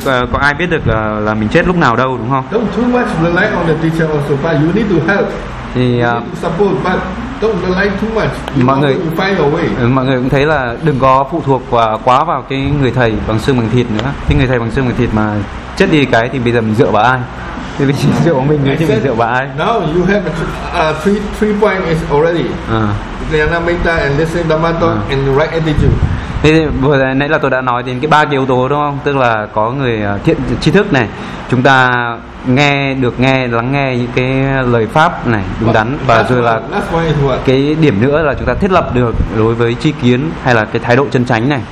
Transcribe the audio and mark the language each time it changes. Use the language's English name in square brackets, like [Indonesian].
[Vietnamese] Có ai biết được là mình chết lúc nào đâu, đúng không? [English] Don't too much rely on the teacher also, but you need to help. [Vietnamese] Thì [English] support, but don't rely too much. [Vietnamese] Mọi người cũng thấy là đừng có phụ thuộc quá vào cái người thầy bằng xương bằng thịt nữa. Cái người thầy bằng xương bằng thịt mà chết đi cái thì bây giờ mình dựa vào ai? Thì lý trí của mình nghĩ thì mình dựa vào ai? [English] No, you have three point is already. Dhyana, Metta and listening Dhamma talk and right attitude. [Vietnamese] Thì vừa nãy là tôi đã nói đến cái ba cái yếu tố đúng không? Tức là có người thiện tri thức này, chúng ta nghe được nghe lắng nghe những cái lời pháp này đúng đắn, và rồi là cái điểm nữa là chúng ta thiết lập được đối với tri kiến hay là cái thái độ chân chánh này.